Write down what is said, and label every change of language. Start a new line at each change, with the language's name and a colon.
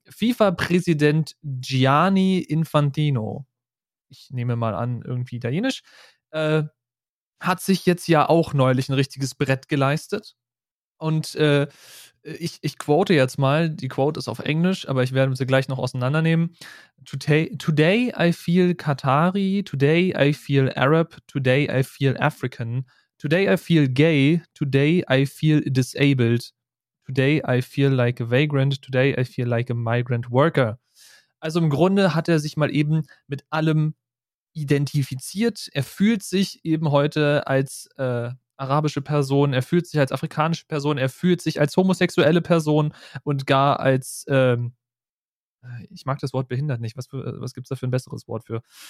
German: FIFA-Präsident Gianni Infantino, ich nehme mal an, irgendwie italienisch, hat sich jetzt ja auch neulich ein richtiges Brett geleistet. Und ich quote jetzt mal, die Quote ist auf Englisch, aber ich werde sie gleich noch auseinandernehmen.
English: Today I feel Qatari, today I feel Arab, today I feel African, today I feel gay, today I feel disabled, today I feel like a vagrant, today I feel like a migrant worker.
German: Also im Grunde hat er sich mal eben mit allem identifiziert. Er fühlt sich eben heute als arabische Person, er fühlt sich als afrikanische Person, er fühlt sich als homosexuelle Person und gar als ich mag das Wort behindert nicht, was gibt es da für ein besseres Wort für?